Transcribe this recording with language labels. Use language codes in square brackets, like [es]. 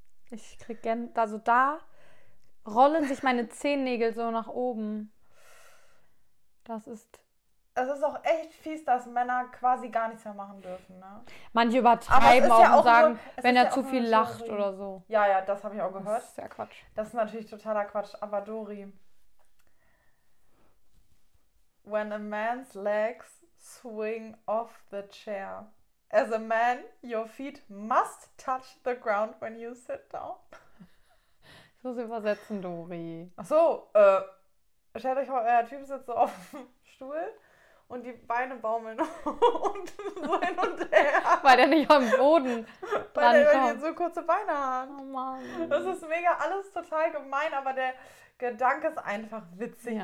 [de] Ich krieg also da rollen sich meine Zehennägel so nach oben. Das ist... Es ist auch echt fies, dass Männer quasi gar nichts mehr machen dürfen, ne? Manche übertreiben auch ja und sagen, nur, wenn er ja zu viel lacht Theorie oder so. Ja, ja, das habe ich auch gehört. Das ist ja Quatsch. Das ist natürlich totaler Quatsch. Aber [en] Dori, when a man's legs swing off the chair, as a man, your feet must touch the ground when you sit down. [de] Ich muss übersetzen, Dori. Ach so, stellt euch mal, euer Typ sitzt so auf dem Stuhl und die Beine baumeln unten so hin und her. Weil der nicht am Boden dran kommt. Weil der so kurze Beine hat. Oh Mann. Das ist mega, alles total gemein, aber der Gedanke ist einfach witzig. Ja.